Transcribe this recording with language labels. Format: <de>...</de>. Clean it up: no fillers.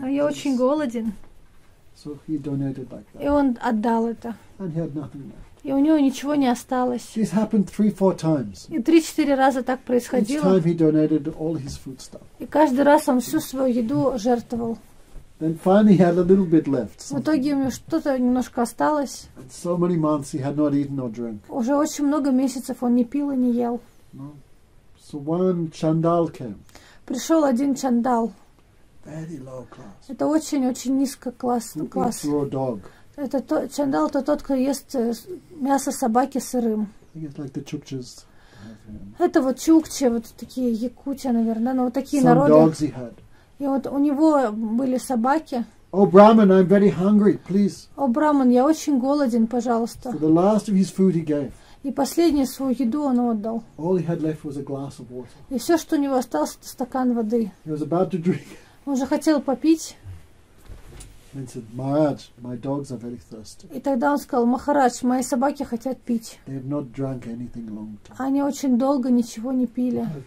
<ru>А я очень голоден.</ru> <en>So he donated like that.</en> <ru>И он отдал это.</ru> <en>And he had nothing left.</en> <ru>И у него ничего не осталось.</ru> <en>This happened 3-4 times.</en> <ru>И 3-4 раза так происходило.</ru> <en>Each time he donated all his food stuff.</en> <ru>И каждый раз он всю свою еду жертвовал.</ru> <en>Then finally he had a little bit left.</en> <ru>В итоге у него что-то немножко осталось.</ru> <en>And so many months he had not eaten or drank.</en> <ru>Уже очень много месяцев он не пил и не ел.</ru> <en>No. So one chandal came.</en> <ru>Пришел один чандал.</ru> <en>Very low class.</en> <ru>Это очень-очень низкий класс.</ru> <en>Raw dog.</en> <ru>Это то, чандал, это тот, кто ест мясо собаки сырым.</ru> <en>Like the</en> <ru>это вот чукчи, вот такие якутия, наверное, но вот такие народы. И вот у него были собаки. О, Браман,</ru> <en>I'm very hungry, please.</en> <ru>О, Браман, я очень голоден, пожалуйста.</ru> <en>So the last of his food he gave.</en> <ru>И последнюю свою еду он отдал.</ru> <en>All he had left was a glass of water.</en> <ru>И все, что у него осталось, это стакан воды.</ru> <en>He was about to drink.</en> <ru>Он уже хотел попить.</ru> <en>And said, Maharaj, my dogs are very thirsty.</en> <ru>И тогда он сказал, Махарадж, мои собаки хотят пить.</ru> <en>They have not drunk anything long time.</en> <ru>Они очень долго ничего не пили.</ru>